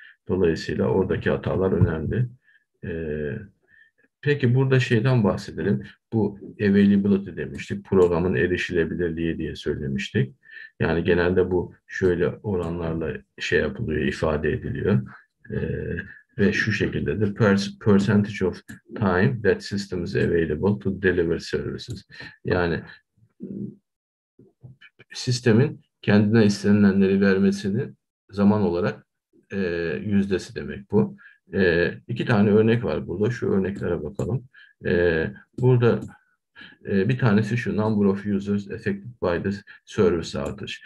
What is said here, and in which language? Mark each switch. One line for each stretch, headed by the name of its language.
Turkish: Dolayısıyla oradaki hatalar önemli. Peki burada şeyden bahsedelim. bu availability demiştik, programın erişilebilirliği diye söylemiştik. Yani genelde bu şöyle oranlarla şey yapılıyor, ifade ediliyor. Ve şu şekilde de
English: percentage of time that system is available to deliver services.
Turkish: Yani sistemin kendine istenilenleri vermesinin zaman olarak yüzdesi demek bu. İki tane örnek var burada. Şu örneklere bakalım. Burada bir tanesi şu:
English: number of users affected by the service outage.